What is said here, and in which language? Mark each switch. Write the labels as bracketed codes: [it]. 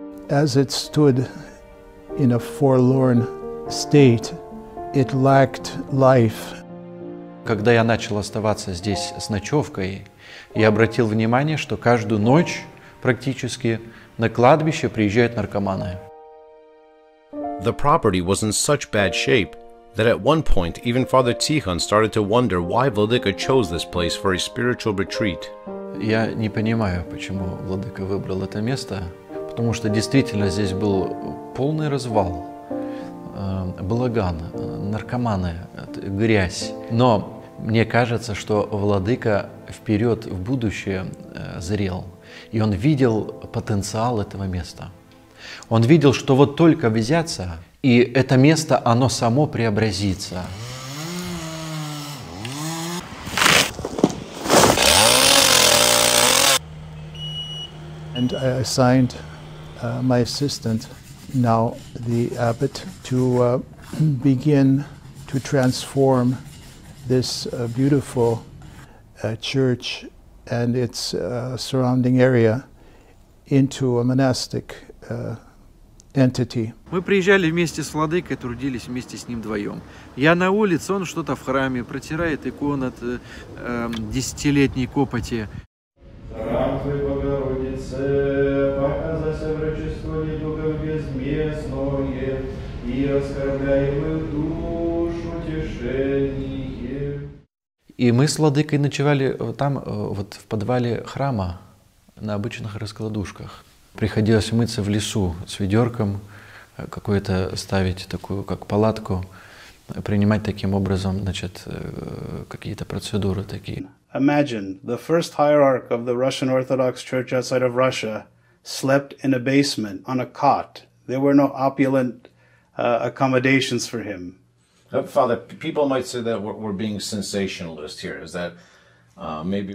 [en] As it stood in a forlorn state, it lacked life. [ru] Когда я начал оставаться здесь с ночевкой, я обратил внимание, что каждую ночь практически на кладбище приезжают наркоманы. [en] The property was in such bad shape that at one point even Father Tikhon started to wonder why Vladyka chose this place for a spiritual retreat. [ru] Я не понимаю, почему Владыка выбрал это место, потому что действительно здесь был полный развал, балаган, наркоманы, грязь. Но мне кажется, что Владыка вперед в будущее зрел, и он видел потенциал этого места. Он видел, что вот только взяться, и это место, оно само преобразится. [en] And I assigned my assistant, now the abbot, to begin to transform this beautiful church and its surrounding area into a monastic entity. [ru] Мы приезжали вместе с Владыкой, трудились вместе с ним вдвоем. Я на улице, он что-то в храме протирает икон от десятилетней копоти. Храм твой Богородице, показайся врачество недугов безместное, и оскорбляемую душу тишение. И мы с Владыкой ночевали там, вот в подвале храма, на обычных раскладушках. Приходилось мыться в лесу с ведерком, какую-то ставить такую, как палатку, принимать таким образом, значит, какие-то процедуры такие. [en] Imagine, the first hierarch of the Russian Orthodox Church outside of Russia slept in a basement on a cot. There were no opulent accommodations for him. Father, people might say that we're being sensationalist here. Is that maybe...